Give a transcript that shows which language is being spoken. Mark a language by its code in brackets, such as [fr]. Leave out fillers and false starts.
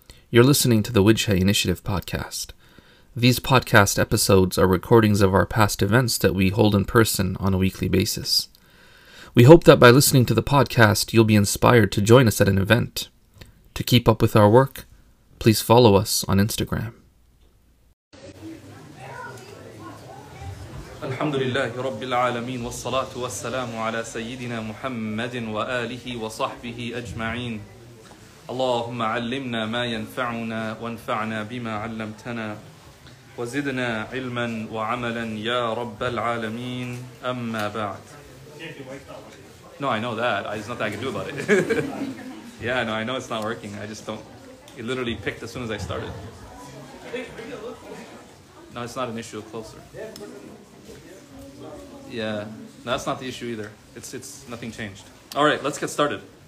[en] You're listening to the Wijha Initiative podcast. These podcast episodes are recordings of our past events that we hold in person on a weekly basis. We hope that by listening to the podcast, you'll be inspired to join us at an event. To keep up with our work, please follow us on Instagram. [ar] الحمد لله رب العالمين والصلاة والسلام على سيدنا محمد وآله وصحبه أجمعين اللهم علمنا ما ينفعنا وانفعنا بما علمتنا وزدنا علما وعملا يا رب العالمين أما بعد. [en] No, I know that. There's nothing I can do about it. Yeah, no, I know it's not working. I just don't. It literally picked as soon as I started. No, it's not an issue. Closer. Yeah, no, that's not the issue either. It's nothing changed. All right, let's get started.